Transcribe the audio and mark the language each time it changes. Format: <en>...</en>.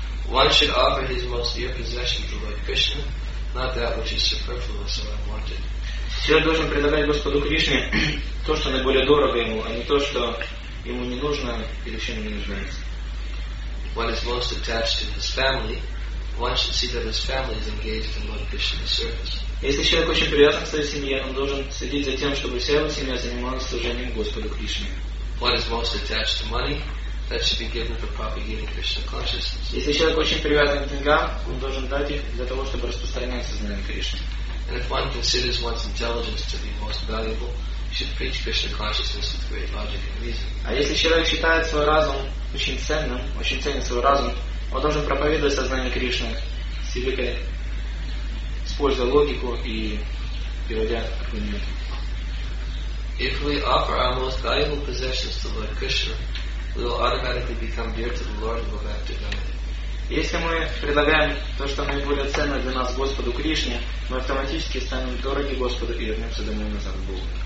<en>One should offer his most dear possession to Lord Krishna, not that which is superfluous or unwanted.</en> <ru>Человек должен предлагать Господу Кришне то, что наиболее дорого ему, а не то, что ему не нужно или еще не нуждается.</ru> <en>One is most attached to his family. One should see that his family is engaged in Lord Krishna's service.</en> <ru>Если человек очень привязан к своей семье, он должен следить за тем, чтобы вся его семья занималась служением Господу Кришне.</ru> <en>One is most attached to money, that should be given for propagating Krishna consciousness.</en> <ru>Если человек очень привязан к деньгам, он должен дать их для того, чтобы распространять сознание Кришны.</ru> <en>And if one considers one's intelligence to be most valuable, should preach Krishna consciousness with great logic and reason.</en> <ru>А если человек считает свой разум очень ценным, очень ценит свой разум, он должен проповедовать сознание Кришны с великой, используя логику и переводя аргументы.</ru> <en>If we offer our most valuable possessions to Lord Krishna, we will automatically become dear to the Lord and go back to God.</en> <ru>Если мы предлагаем то, что наиболее ценно для нас Господу Кришне, мы автоматически станем дороги Господу и вернемся домой назад к Богу.</ru>